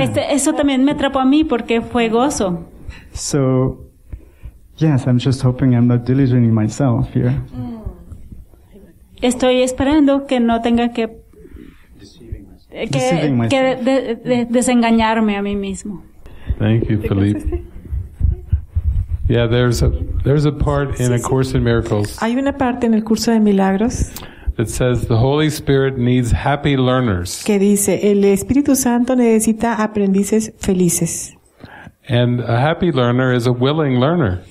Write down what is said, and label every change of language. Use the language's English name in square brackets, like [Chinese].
[Spanish] Eso también me atrapó a mí porque fue gozo. [English] So, yes, I'm just hoping I'm not delusioning myself here. [Spanish] Estoy esperando que no tenga que desengañarme a mí mismo. [English] Thank you, Philippe. Yeah, there's a part in A Course in Miracles. [Spanish] Hay una parte en el curso de milagros. [English] It says the Holy Spirit needs happy learners. [Spanish] Que dice el Espíritu Santo necesita aprendices felices. [English] And a happy learner is a willing learner.